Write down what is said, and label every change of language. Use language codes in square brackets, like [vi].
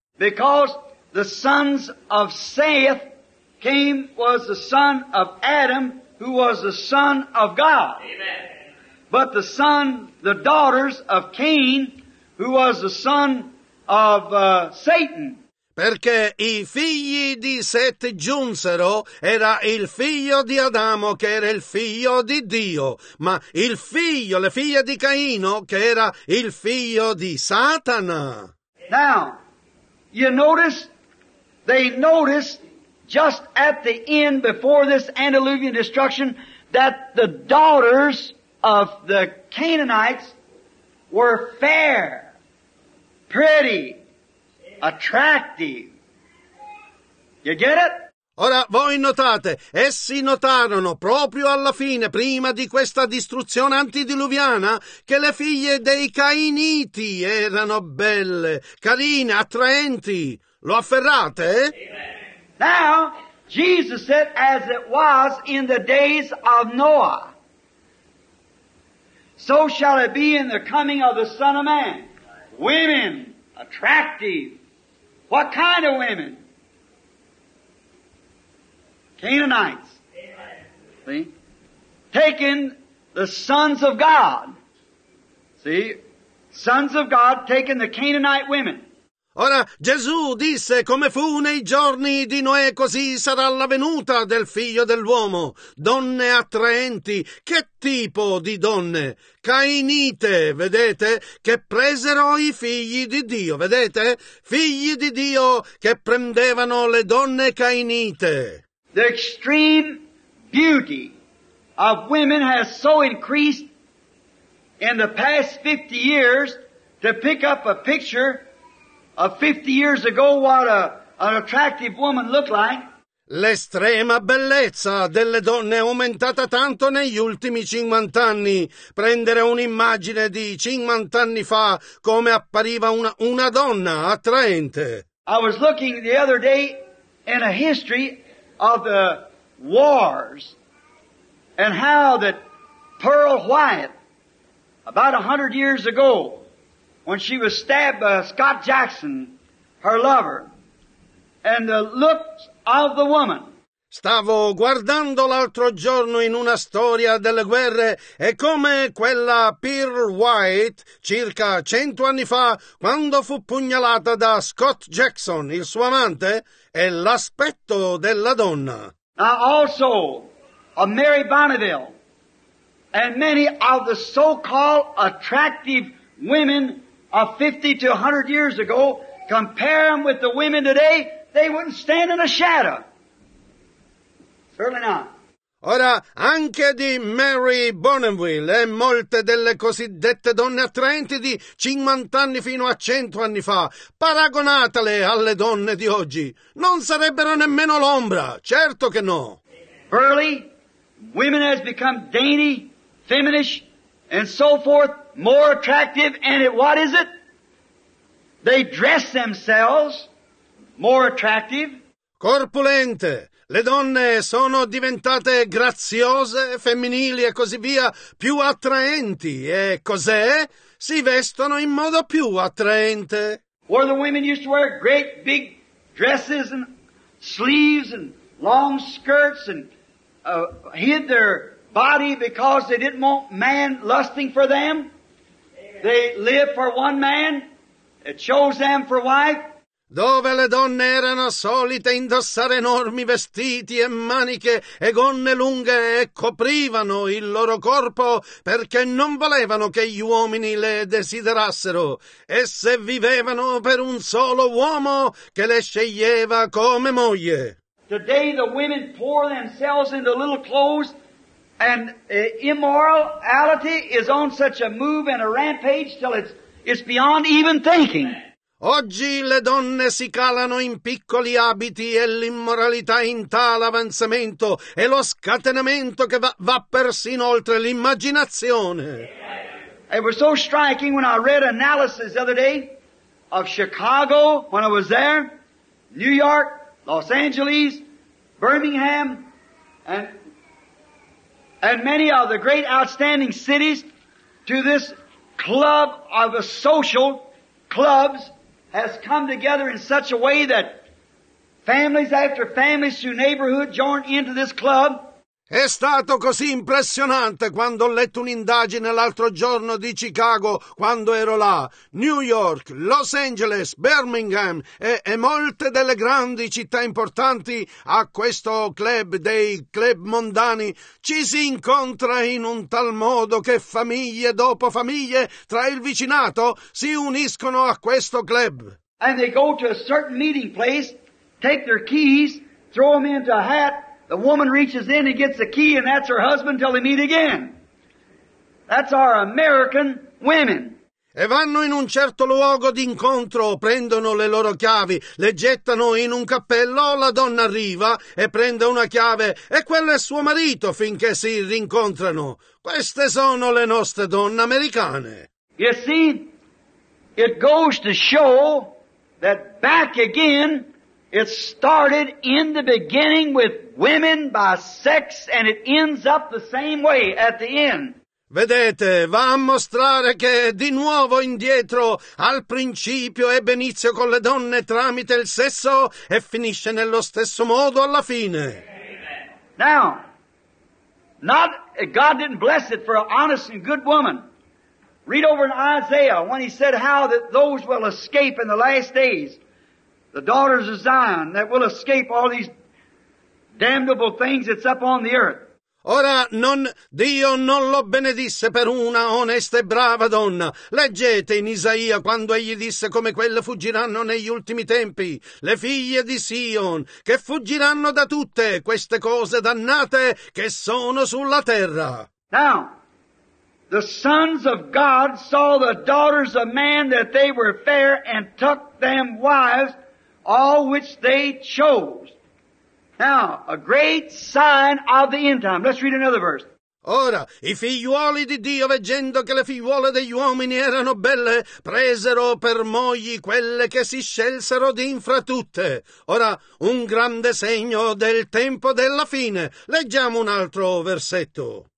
[en] Because the sons of Seth came was the son of Adam, who was the son of God. Amen. But the daughters of Cain, who was the son of Satan. [it] Perché i figli di Seth giunsero, era il figlio di Adamo, che era il figlio di Dio, ma il figlio, le figlie di Caino, che era il figlio di Satana. [en] Now, you notice, they noticed, just at the end, before this antediluvian destruction, that the daughters of the Canaanites were fair, pretty, attractive. You get it? [it] Ora, voi notate, essi notarono proprio alla fine, prima di questa distruzione antidiluviana, che le figlie dei Cainiti erano belle, carine, attraenti. Lo afferrate? [en] Amen. Now, Jesus said, as it was in the days of Noah, so shall it be in the coming of the Son of Man. Women, attractive. What kind of women? Canaanites. Amen. See? Taking the sons of God. See? Sons of God taking the Canaanite women. [it] Ora, Gesù disse, come fu nei giorni di Noè, così sarà la venuta del figlio dell'uomo. Donne attraenti, che tipo di donne? Cainite, vedete, che presero i figli di Dio, vedete? Figli di Dio che prendevano le donne cainite. [en] The extreme beauty of women has so increased in the past 50 years to pick up a picture of 50 years ago what an attractive woman looked like. [it] L'estrema bellezza delle donne è aumentata tanto negli ultimi 50 anni. Prendere un'immagine di 50 anni fa, come appariva una donna attraente. [en] I was looking the other day in a history of the wars and how that Pearl White, about 100 years ago, when she was stabbed by Scott Jackson, her lover, and the looks of the woman. [it] Stavo guardando l'altro giorno in una storia delle guerre, e come quella Pearl White, circa 100 anni fa, quando fu pugnalata da Scott Jackson, il suo amante, e l'aspetto della donna. [en] Now also, a Mary Bonneville, and many of the so-called attractive women of 50 to 100 years ago, compare them with the women today, they wouldn't stand in a shadow. Certainly not. [it] Ora, anche di Mary Bonneville e molte delle cosiddette donne attraenti di 50 anni fino a 100 anni fa, paragonatele alle donne di oggi, non sarebbero nemmeno l'ombra, certo che no. [en] Burly, women has become dainty, feminish, and so forth, more attractive, and it, what is it? They dress themselves more attractive. [it] Corpulente. Le donne sono diventate graziose, femminili e così via, più attraenti. E cos'è? Si vestono in modo più attraente. [en] Where the women used to wear great big dresses and sleeves and long skirts and hid their body because they didn't want man lusting for them. They lived for one man. It chose them for wife. [it] Dove le donne erano solite indossare enormi vestiti e maniche e gonne lunghe e coprivano il loro corpo perché non volevano che gli uomini le desiderassero. Esse vivevano per un solo uomo che le sceglieva come moglie. [en] Today the women pour themselves into little clothes and immorality is on such a move and a rampage till it's beyond even thinking. [it] Oggi le donne si calano in piccoli abiti e l'immoralità in tale avanzamento e lo scatenamento che va persino oltre l'immaginazione. [en] It was so striking when I read analysis the other day of Chicago, when I was there, New York, Los Angeles, Birmingham, and many of the great outstanding cities to this club of the social clubs has come together in such a way that families after families through neighborhood join into this club. [it] È stato così impressionante quando ho letto un'indagine l'altro giorno di Chicago, quando ero là, New York, Los Angeles, Birmingham e molte delle grandi città importanti a questo club dei club mondani. Ci si incontra in un tal modo che famiglie dopo famiglie tra il vicinato si uniscono a questo club. [en] And they go to a certain meeting place, take their keys, throw them into a hat. The woman reaches in and gets the key and that's her husband till they meet again. That's our American women. [it] E vanno in un certo luogo d'incontro, prendono le loro chiavi, le gettano in un cappello, la donna arriva e prende una chiave e quello è suo marito finché si rincontrano. Queste sono le nostre donne americane. [en] You see, it goes to show that back again it started in the beginning with women by sex and it ends up the same way at the end. [it] Vedete, va a mostrare che di nuovo indietro al principio ebbe inizio con le donne tramite il sesso e finisce nello stesso modo alla fine. [en] Now, not God didn't bless it for an honest and good woman. Read over in Isaiah when he said how that those will escape in the last days. The daughters of Zion that will escape all these damnable things that's up on the earth. [it] Ora non Dio non lo benedisse per una onesta e brava donna. Leggete in Isaia quando egli disse come quelle fuggiranno negli ultimi tempi, le figlie di Sion, che fuggiranno da tutte queste cose dannate che sono sulla terra. [en] Now, the sons of God saw the daughters of man that they were fair and took them wives, all which they chose. Now, a great sign of the end time. Let's read another verse. [it] Ora, i figliuoli di Dio, veggendo che le figliuole degli uomini erano belle, presero per mogli quelle che si scelsero di infra tutte. Ora, un grande segno del tempo della fine. Leggiamo un altro versetto.